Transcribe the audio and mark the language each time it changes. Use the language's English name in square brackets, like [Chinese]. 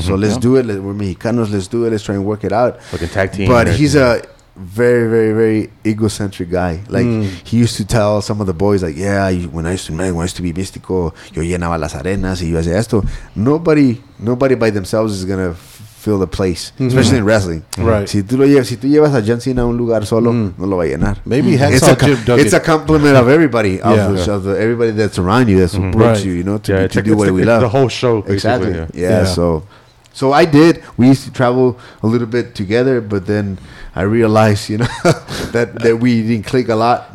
[English] So let's do it. We're Mexicanos. Let's do it. Let's try and work it out. Like a tag team. But he's a very, very, very egocentric guy. Like he used to tell some of the boys, like, yeah, when I used to be Místico, [Spanish] yo llenaba las arenas y yo hacía esto. [English] Nobody by themselves is gonna fill the place, mm-hmm. especially in wrestling. Right. [Spanish] Si tú llevas a John Cena a un lugar solo, no lo va a llenar. [English] Maybe Hacksaw Jim Duggan. It's a compliment of everybody, everybody that's around you, that supports mm-hmm. you, you know, to do what we love. The whole show, exactly. Yeah. So I did. We used to travel a little bit together, but then I realized, you know, that we didn't click a lot.